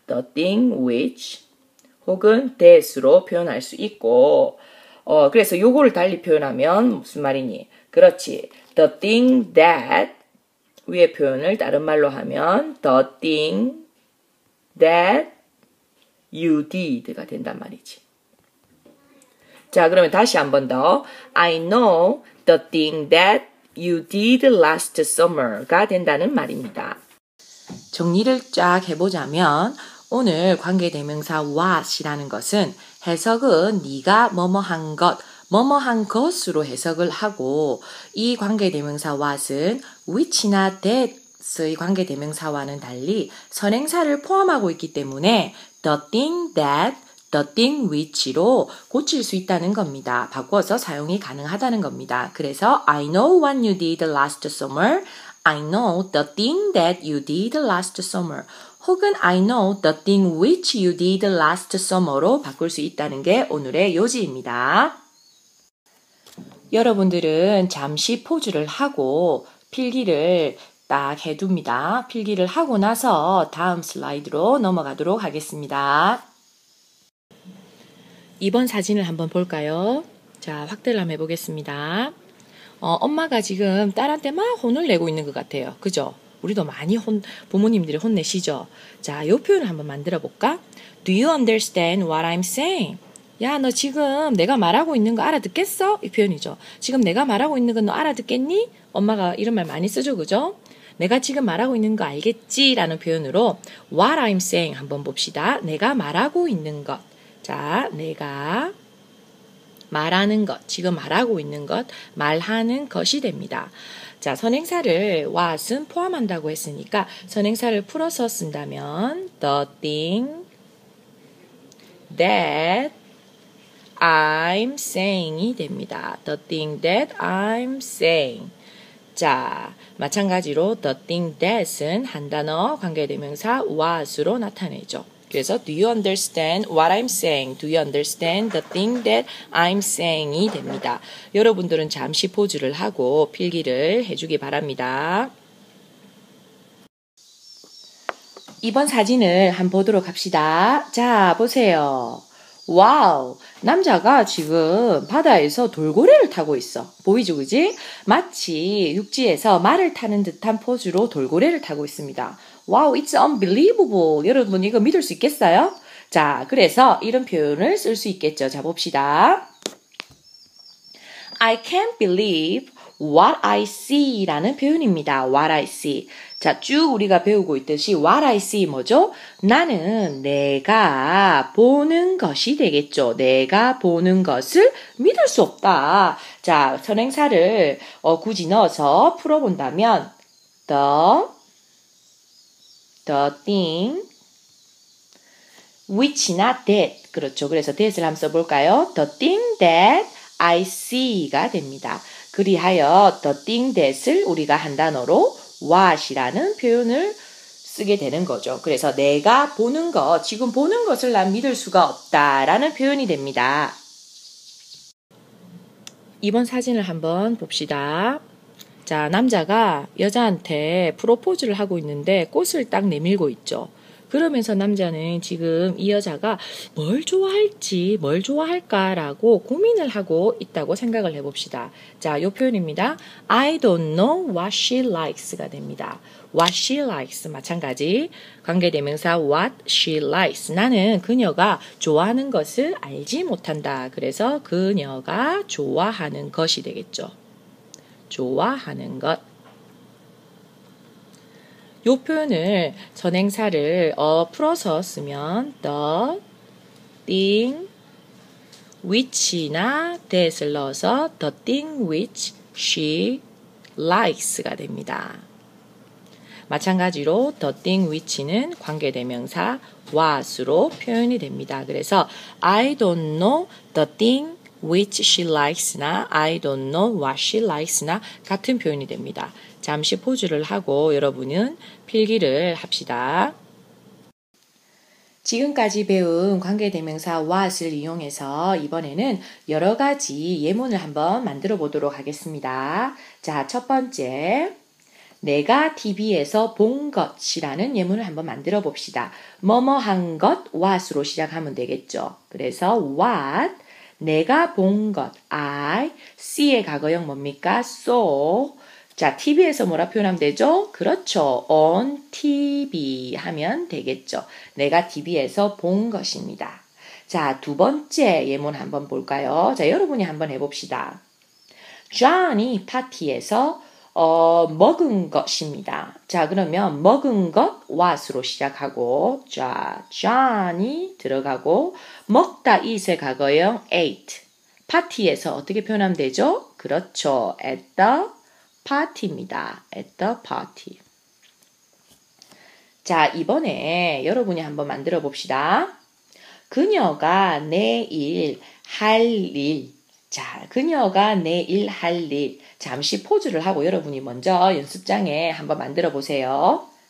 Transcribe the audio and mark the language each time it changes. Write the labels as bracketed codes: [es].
[en] The thing which [ko] 혹은 that으로 표현할 수 있고 그래서 요거를 달리 표현하면 무슨 말이니? 그렇지. [en] The thing that [ko] 위의 표현을 다른 말로 하면 [en] the thing that you did가 [ko] 된단 말이지. 자, 그러면 다시 한 번 더. [en] I know the thing that you did last summer가 [ko] 된다는 말입니다. 정리를 쫙 해보자면 오늘 관계대명사 what이라는 것은 해석은 네가 뭐뭐한 것, 뭐뭐한 것으로 해석을 하고 이 관계대명사 what은 which나 that의 관계대명사와는 달리 선행사를 포함하고 있기 때문에 [en] the thing that, the thing which [ko] 로 고칠 수 있다는 겁니다. 바꿔서 사용이 가능하다는 겁니다. 그래서 [en] I know what you did last summer. I know the thing that you did last summer. [ko] 혹은 [en] I know the thing which you did last summer [ko] 로 바꿀 수 있다는 게 오늘의 요지입니다. 여러분들은 잠시 포즈를 하고 필기를 딱 해둡니다. 필기를 하고 나서 다음 슬라이드로 넘어가도록 하겠습니다. 이번 사진을 한번 볼까요? 자, 확대를 한번 해보겠습니다. 엄마가 지금 딸한테 막 혼을 내고 있는 것 같아요. 그죠? 우리도 많이 부모님들이 혼내시죠? 자, 요 표현을 한번 만들어 볼까? [en] Do you understand what I'm saying? [ko] 야, 너 지금 내가 말하고 있는 거 알아듣겠어? 이 표현이죠. 지금 내가 말하고 있는 거 너 알아듣겠니? 엄마가 이런 말 많이 쓰죠, 그죠? 내가 지금 말하고 있는 거 알겠지? 라는 표현으로 [en] what I'm saying [ko] 한번 봅시다. 내가 말하고 있는 것. 자, 내가 말하는 것, 지금 말하고 있는 것, 말하는 것이 됩니다. 자, 선행사를 what은 포함한다고 했으니까 선행사를 풀어서 쓴다면 [en] the thing that I'm saying [ko] 이 됩니다. [en] The thing that I'm saying. [ko] 자, 마찬가지로 [en] the thing that [ko] 은 한 단어 관계대명사 what으로 나타내죠. 그래서 [en] do you understand what I'm saying? Do you understand the thing that I'm saying [ko] 이 됩니다. 여러분들은 잠시 포즈를 하고 필기를 해주기 바랍니다. 이번 사진을 한번 보도록 합시다. 자, 보세요. 와우! 남자가 지금 바다에서 돌고래를 타고 있어. 보이죠, 그지? 마치 육지에서 말을 타는 듯한 포즈로 돌고래를 타고 있습니다. [en] 와우, it's unbelievable. [ko] 여러분, 이거 믿을 수 있겠어요? 자, 그래서 이런 표현을 쓸 수 있겠죠. 자, 봅시다. [en] I can't believe what I see [ko] 라는 표현입니다. [en] What I see. [ko] 자, 쭉 우리가 배우고 있듯이 [en] what I see [ko] 뭐죠? 나는 내가 보는 것이 되겠죠. 내가 보는 것을 믿을 수 없다. 자, 선행사를 굳이 넣어서 풀어본다면 [en] the thing which나 that. [ko] 그렇죠. 그래서 that을 한번 써볼까요? [en] The thing that I see [ko] 가 됩니다. 그리하여 [en] the thing that [ko] 을 우리가 한 단어로 what이라는 표현을 쓰게 되는 거죠. 그래서 내가 보는 것, 지금 보는 것을 난 믿을 수가 없다라는 표현이 됩니다. 이번 사진을 한번 봅시다. 자, 남자가 여자한테 프로포즈를 하고 있는데 꽃을 딱 내밀고 있죠. 그러면서 남자는 지금 이 여자가 뭘 좋아할지, 뭘 좋아할까라고 고민을 하고 있다고 생각을 해봅시다. 자, 요 표현입니다. [en] I don't know what she likes [ko] 가 됩니다. [en] What she likes, [ko] 마찬가지. 관계대명사 [en] what she likes. [ko] 나는 그녀가 좋아하는 것을 알지 못한다. 그래서 그녀가 좋아하는 것이 되겠죠. 좋아하는 것. 이 표현을 전행사를 풀어서 쓰면 the thing which나 that을 넣어서 [en] the thing which she likes [ko] 가 됩니다. 마찬가지로 the thing which는 관계대명사 what으로 표현이 됩니다. 그래서 [en] I don't know the thing which she likes나 I don't know what she likes나 [ko] 같은 표현이 됩니다. 잠시 포즈를 하고 여러분은 필기를 합시다. 지금까지 배운 관계대명사 what을 이용해서 이번에는 여러 가지 예문을 한번 만들어 보도록 하겠습니다. 자, 첫 번째, 내가 TV에서 본 것이라는 예문을 한번 만들어 봅시다. 뭐뭐한 것 what으로 시작하면 되겠죠. 그래서 what, 내가 본 것, I, see의 과거형 뭡니까? [en] saw. [ko] 자, TV에서 뭐라 표현하면 되죠? 그렇죠. [en] on TV [ko] 하면 되겠죠. 내가 TV에서 본 것입니다. 자, 두 번째 예문 한번 볼까요? 자, 여러분이 한번 해봅시다. John이 파티에서 먹은 것입니다. 자, 그러면 먹은 것 what으로 시작하고 자, John이 들어가고 먹다 is의 과거형 ate. 파티에서 어떻게 표현하면 되죠? 그렇죠. [en] at the [ko] 파티입니다. [en] At the party. [ko] 자, 이번에 여러분이 한번 만들어 봅시다. 그녀가 내일 할 일. 자, 그녀가 내일 할 일. 잠시 포즈를 하고 여러분이 먼저 연습장에 한번 만들어 보세요.